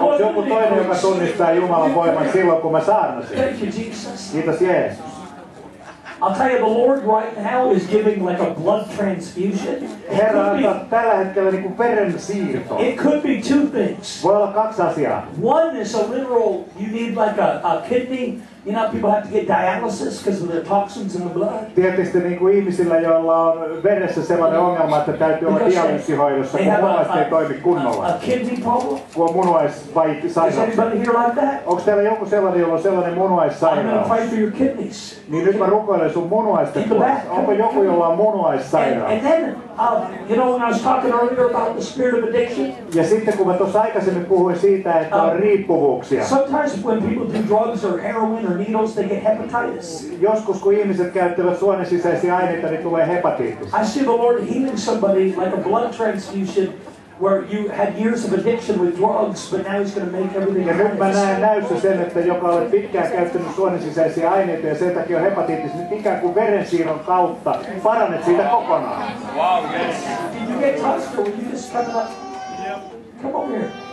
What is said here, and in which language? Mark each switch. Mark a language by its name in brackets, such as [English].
[Finnish] Onko joku toinen, joka tunnistaa Jumalan voiman silloin, kun mä saarnasin? [English] Thank you, Jesus. [Finnish] Kiitos, Jeesus. [English] I'll tell you, the Lord right now is giving like a blood transfusion. [Finnish] Herra antaa tällä hetkellä niin kuin veren siirto. [English] It could be two things. [Finnish] Voi olla kaksi asiaa. [English] One is a literal, you need like a kidney. You know, people have to get dialysis because of the toxins in the blood. [Finnish] Tietysti niin kuin ihmisillä, joilla on veressä sellainen ongelma, että täytyy olla dialyysihoidossa, kun munuaiset ei toimi kunnolla. [English] A kidney problem? [Finnish] Kun on munuaissairaus. [English] Is anybody here like that? [Finnish] Onko täällä joku sellainen, jolla on sellainen munuaissairaus? [English] I'm going to pray for your kidneys. [Finnish] Niin nyt mä rukoilen sun munuaista. Onko joku, jolla on munuaissairaus? [English] And then, you know, when I was talking earlier about the spirit of addiction. [Finnish] Ja sitten kun mä tuossa aikaisemmin puhuin siitä, että on riippuvuuksia. [English] Sometimes when people do drugs or heroin or needles, they get hepatitis. [Finnish] Joskus kun ihmiset käyttävät suonensisäisiä aineita, niin tulee hepatitis. [English] I see the Lord healing somebody like a blood transfusion. Where you had years of addiction with drugs, but now he's going to make everything. [Finnish] Ja nyt mä näen näyssä sen, että joka olet pitkään käyttänyt suonensisäisiä aineita ja sen takia on hepatitis, nyt ikään kuin verensiirron kautta parannet siitä kokonaan. [English] Wow, yes. Did you get touched or were you just kind of like, come over here.